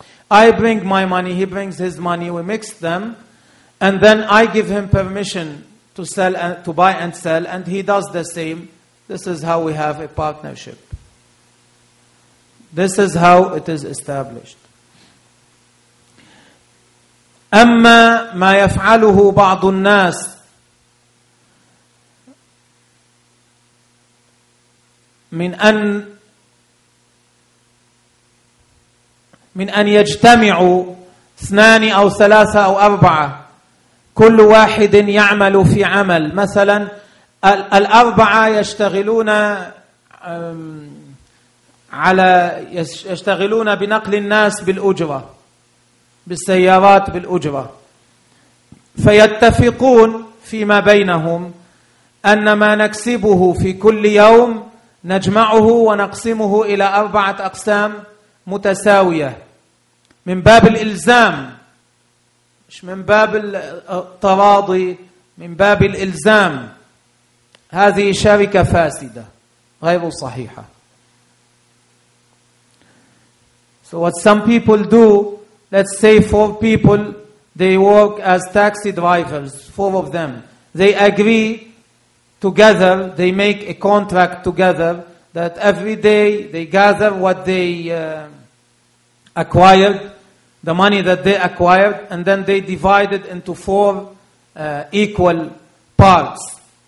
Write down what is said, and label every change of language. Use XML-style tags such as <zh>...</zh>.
<en>I bring my money, he brings his money, we mix them, and then I give him permission to sell and to buy and sell, and he does the same. This is how we have a partnership. This is how it is established.</en> <ar>أما ما يفعله بعض الناس من أن يجتمعوا اثنان أو ثلاثة أو أربعة كل واحد يعمل في عمل مثلا الأربعة يشتغلون على يشتغلون بنقل الناس بالأجرة بالسيارات بالأجرة فيتفقون فيما بينهم أن ما نكسبه في كل يوم نجمعه ونقسمه إلى أربعة أقسام متساوية من باب الإلزام مش من باب التراضي من باب الإلزام هذه شركة فاسدة غير صحيحة.</ar> <en>So what some people do, let's say four people, they work as taxi drivers, four of them. They agree together, they make a contract together that every day they gather what they acquired, the money that they acquired, and then they divide it into four equal parts.</en>